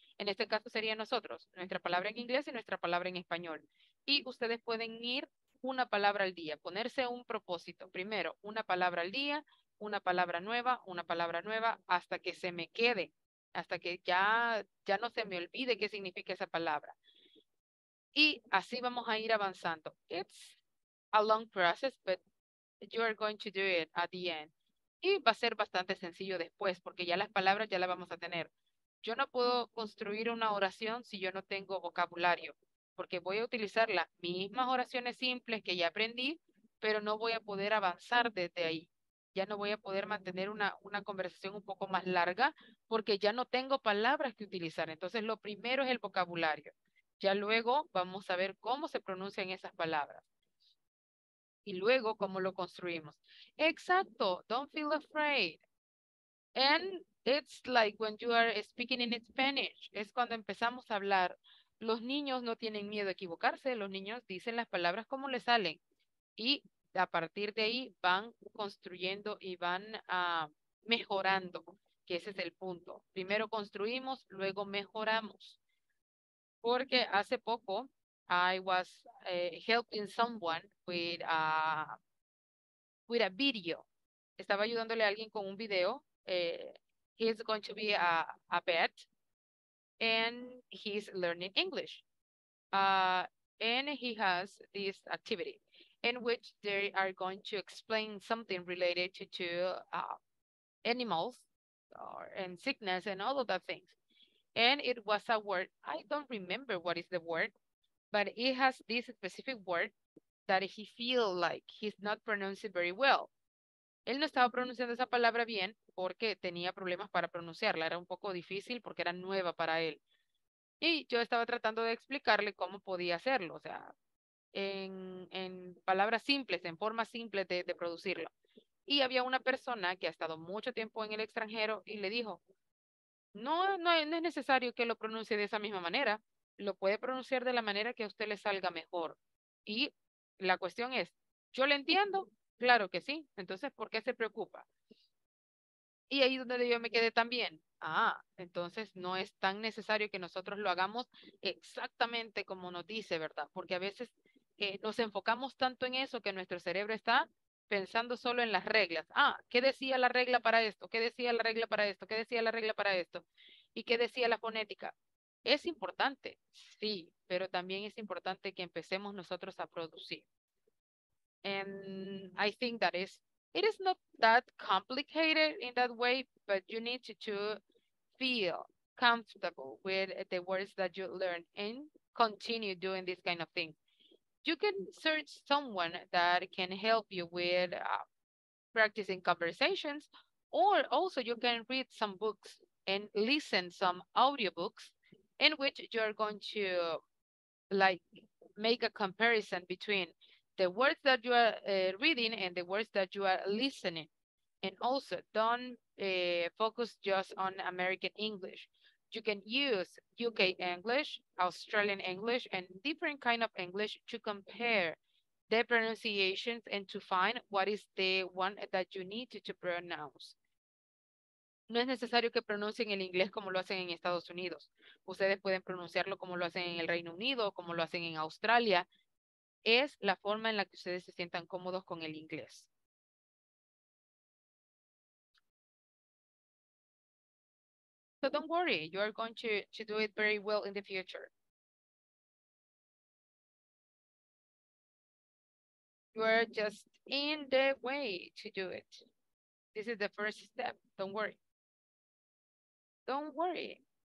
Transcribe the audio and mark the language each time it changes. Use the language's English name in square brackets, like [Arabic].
[Spanish] En este caso sería nosotros, nuestra palabra en inglés y nuestra palabra en español. Y ustedes pueden ir una palabra al día, ponerse un propósito. Primero, una palabra al día, una palabra nueva, hasta que se me quede, hasta que ya no se me olvide qué significa esa palabra. Y así vamos a ir avanzando. [English] It's a long process, but you are going to do it at the end. [Spanish] Y va a ser bastante sencillo después, porque ya las palabras ya las vamos a tener. Yo no puedo construir una oración si yo no tengo vocabulario, porque voy a utilizar las mismas oraciones simples que ya aprendí, pero no voy a poder avanzar desde ahí. Ya no voy a poder mantener una conversación un poco más larga, porque ya no tengo palabras que utilizar. Entonces, lo primero es el vocabulario. Ya luego vamos a ver cómo se pronuncian esas palabras. Y luego, ¿cómo lo construimos? Exacto. [English] Don't feel afraid. And it's like when you are speaking in Spanish. [Spanish] Es cuando empezamos a hablar. Los niños no tienen miedo a equivocarse. Los niños dicen las palabras como les salen. Y a partir de ahí van construyendo y van mejorando. Que ese es el punto. Primero construimos, luego mejoramos. Porque hace poco [English] I was helping someone with a video. [Spanish] Estaba ayudándole a alguien con un video. [English] He's going to be a pet and he's learning English. And he has this activity in which they are going to explain something related to animals or and sickness and all of that things. And it was a word, I don't remember what is the word, but it has this specific word that he feel like he's not pronouncing very well. [Spanish] Él no estaba pronunciando esa palabra bien porque tenía problemas para pronunciarla. Era un poco difícil porque era nueva para él. Y yo estaba tratando de explicarle cómo podía hacerlo. O sea, en palabras simples, en forma simple de producirlo. Y había una persona que ha estado mucho tiempo en el extranjero y le dijo, no es necesario que lo pronuncie de esa misma manera. Lo puede pronunciar de la manera que a usted le salga mejor. Y la cuestión es, ¿yo le entiendo? Claro que sí. Entonces, ¿por qué se preocupa? Y ahí es donde yo me quedé también. Ah, entonces no es tan necesario que nosotros lo hagamos exactamente como nos dice, ¿verdad? Porque a veces nos enfocamos tanto en eso que nuestro cerebro está pensando solo en las reglas. Ah, ¿qué decía la regla para esto? ¿Qué decía la regla para esto? ¿Qué decía la regla para esto? ¿Y qué decía la fonética? Es importante, sí, pero también es importante que empecemos nosotros a producir. [English] And I think that is, it is not that complicated in that way, but you need to feel comfortable with the words that you learn and continue doing this kind of thing. You can search someone that can help you with practicing conversations, or also you can read some books and listen some audiobooks in which you are going to like make a comparison between the words that you are reading and the words that you are listening. And also don't focus just on American English. You can use UK English, Australian English, and different kind of English to compare the pronunciations and to find what is the one that you need to pronounce. [Spanish] No es necesario que pronuncien el inglés como lo hacen en Estados Unidos. Ustedes pueden pronunciarlo como lo hacen en el Reino Unido, como lo hacen en Australia. Es la forma en la que ustedes se sientan cómodos con el inglés. [English] So don't worry, you are going to do it very well in the future. You are just in the way to do it. This is the first step. Don't worry. Don't worry.